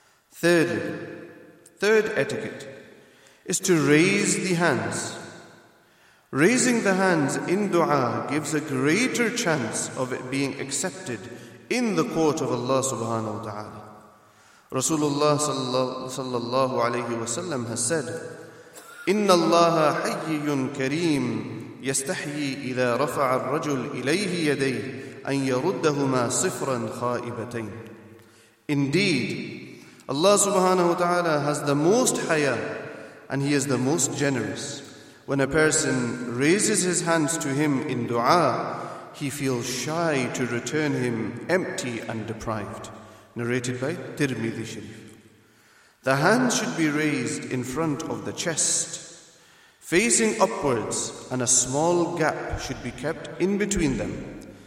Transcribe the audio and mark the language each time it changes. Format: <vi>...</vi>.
<en>Third etiquette is to raise the hands. Raising the hands in dua gives a greater chance of it being accepted in the court of Allah subhanahu wa ta'ala.</en> <ar>Rasulullah sallallahu alayhi wa sallam has said, إِنَّ اللَّهَ حَيِّيٌّ كَرِيمٌ يَسْتَحْيِي إِذَا رَفَعَ الرَّجُلْ إِلَيْهِ يَدَيْهِ أَنْ يَرُدَّهُمَا صِفْرًا خَائِبَتَيْنِ.</ar> <en>Indeed, Allah subhanahu wa ta'ala has the most haya and He is the most generous. When a person raises his hands to Him in dua, he feels shy to return him empty and deprived. Narrated by Tirmidhi Sharif. The hands should be raised in front of the chest, facing upwards, and a small gap should be kept in between them.</en>